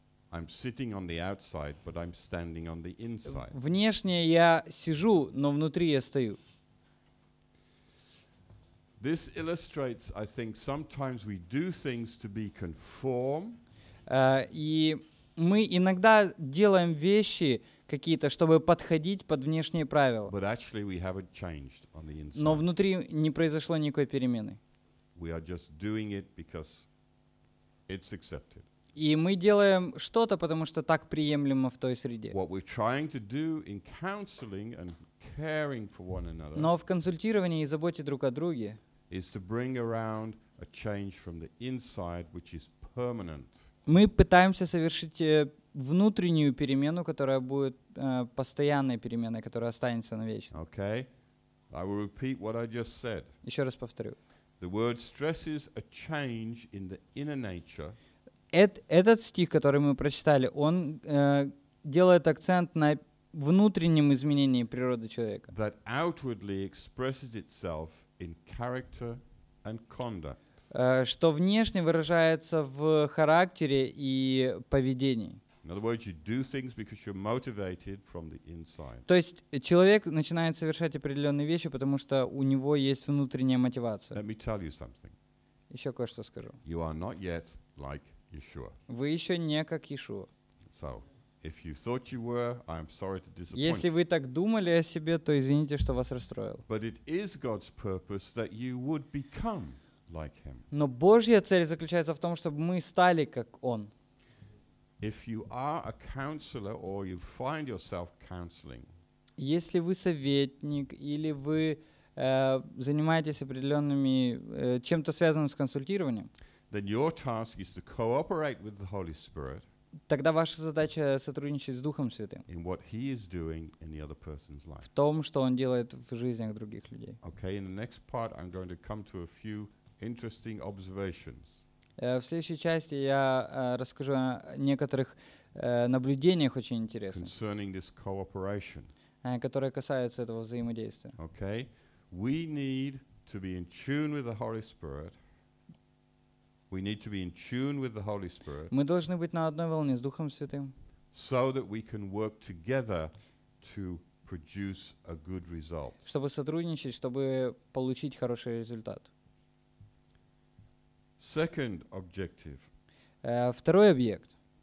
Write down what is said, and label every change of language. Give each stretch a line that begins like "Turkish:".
English: I'm sitting on the outside, but I'm standing on the inside.
Russian: Внешне я сижу, но внутри я стою.
English: This illustrates, I think, sometimes we do things to be conform.
Russian: И мы иногда делаем вещи какие-то, чтобы подходить под внешние правила.
English: But actually we haven't changed on the inside.
Russian: Но внутри не произошло никакой перемены.
English: We are just doing it because it's accepted.
Russian: И мы делаем что-то, потому что так приемлемо в той среде.
English: What we're trying to do in counseling and caring for one another.
Russian: Но в консультировании и заботе друг о друге.
English: Is to bring around a change from the inside, which is permanent.
Russian: Мы пытаемся совершить внутреннюю перемену, которая будет постоянной переменой, которая останется навечно.
English: Okay. I will repeat what I just said.
Russian: Еще раз повторю.
English: The word stresses a change in the inner nature.
Russian: Этот стих, который мы прочитали, он делает акцент на внутреннем изменении природы человека.
English: That outwardly expresses itself in character and conduct.
Russian: Что внешне выражается в характере и поведении.
English: In other words, you do things because you're motivated from the inside.
Russian: То есть человек начинает совершать определенные вещи, потому что у него есть внутренняя мотивация.
English: Let me tell you something.
Russian: Еще кое-что скажу.
English: You are not yet like Yeshua.
Russian: Вы еще не как Иешуа.
English: So, if you thought you were, I'm sorry to disappoint.
Russian: Если вы так думали о себе, то извините, что вас расстроил.
English: But it is God's purpose that you would become. Like him.
Russian: Но Божья цель заключается в том, чтобы мы стали как Он.
English: If you are a counselor or you find yourself counseling,
Russian: если вы советник или вы занимаетесь определенными чем-то связанным с консультированием,
English: then your task is to cooperate with the Holy Spirit.
Russian: Тогда ваша задача сотрудничать с Духом Святым.
English: In what he is doing in the other person's life.
Russian: В том, что он делает в жизнях других людей.
English: Okay, in the next part I'm going to come to a few interesting observations.
Russian: В следующей части я расскажу о некоторых наблюдениях очень интересных.
English: Concerning this cooperation.
Russian: Которые касаются этого взаимодействия.
English: Okay. We need to be in tune with the Holy Spirit. We need to be in tune with the Holy Spirit.
Russian: Мы должны быть на одной волне с Духом Святым.
English: So that we can work together to produce a good result.
Russian: Чтобы сотрудничать, чтобы получить хороший результат.
English: Second objective.
Russian: Второй объект.